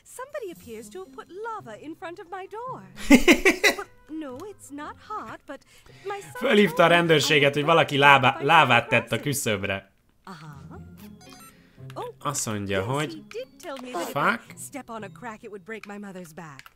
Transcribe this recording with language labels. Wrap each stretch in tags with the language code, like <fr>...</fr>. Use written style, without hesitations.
<en>Somebody appears to have put lava in front of my door. No, it's not hot, but my son.</en> <hu>Fölhívta a rendőrséget, hogy valaki lávát tett a küszöbre. Azt mondja, hogy fuck.</hu> <en>Step on a crack, it would break my mother's back.</en>